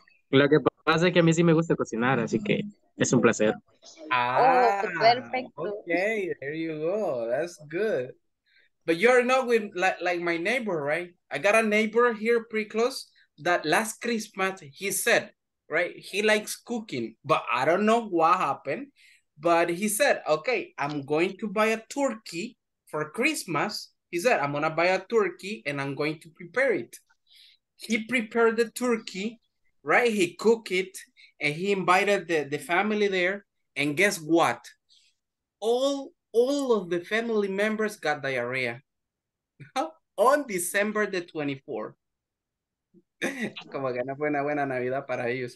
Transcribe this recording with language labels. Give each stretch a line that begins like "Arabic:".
Spanish: Lo que pasa es que a mí sí me gusta cocinar, así que es un placer. Ah, perfecto.
English: Okay, there you go. That's good. But you're not with like my neighbor, right? I got a neighbor here pretty close that last Christmas he said, right? He likes cooking, but I don't know what happened. But he said, okay, I'm going to buy a turkey for Christmas. He said, I'm gonna buy a turkey and I'm going to prepare it. He prepared the turkey, right? He cooked it and he invited the family there. And guess what? All of the family members got diarrhea on December the 24th.
Spanish: Como que no fue una buena Navidad para ellos.